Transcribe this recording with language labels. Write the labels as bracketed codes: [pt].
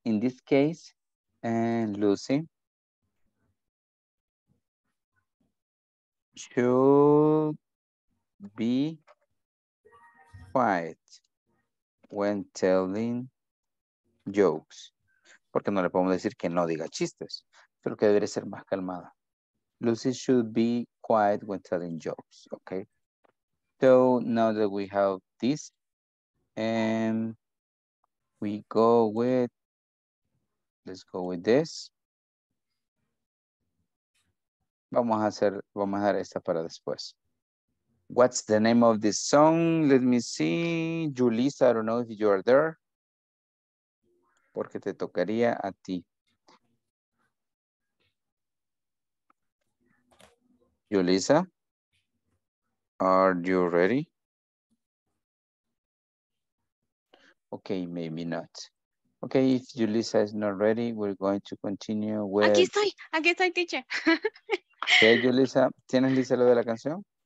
[en] In this case, Lucy should be quiet when telling jokes. [es] Porque no le podemos decir que no diga chistes. Pero que debería ser más calmada. [en] Lucy should be quiet when telling jokes. Okay. So now that we have this, and we go with, let's go with this. [es] Vamos a dar esta para después. [en] What's the name of this song? Let me see. Julissa, I don't know if you are there. [es] Porque te tocaría a ti. [en] Julissa. Are you ready? Okay, maybe not. Okay, if Julissa is not ready, we're going to continue with... [es] Aquí estoy, teacher. Okay, Julissa, ¿tienes lista lo de la canción?